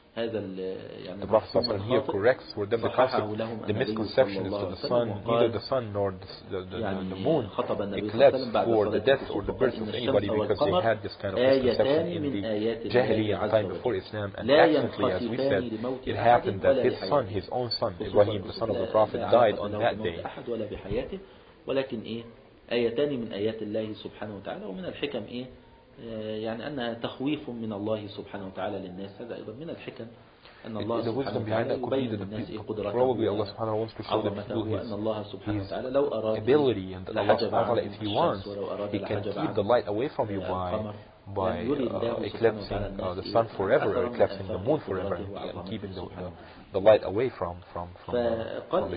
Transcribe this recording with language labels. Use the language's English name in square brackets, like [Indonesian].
[English] The Prophet صلى الله عليه وسلم here corrects for them the concept, the misconception is that the sun, neither the sun nor the moon eclipse for the death or the birth of anybody, because they had this kind of misconception in the Jahiliyyah time before Islam. And accidentally, as we said, it happened that his son, his own son, Ibrahim, the son of the Prophet, died on that day. [Arabic] ولكن آيتان من آيات الله سبحانه وتعالى ومن الحكم إيه يعني أن تخويف من الله سبحانه وتعالى للناس هذا أيضا من الحكم أن الله سبحانه وتعالى يبين للناس قدرته [English] probably Allah subhanahu wants to show the people his ability, and Allah subhanahu wa ta'ala, if he wants, he can keep the light away from you by eclipsing the sun forever or eclipsing the moon forever and keeping the light away from the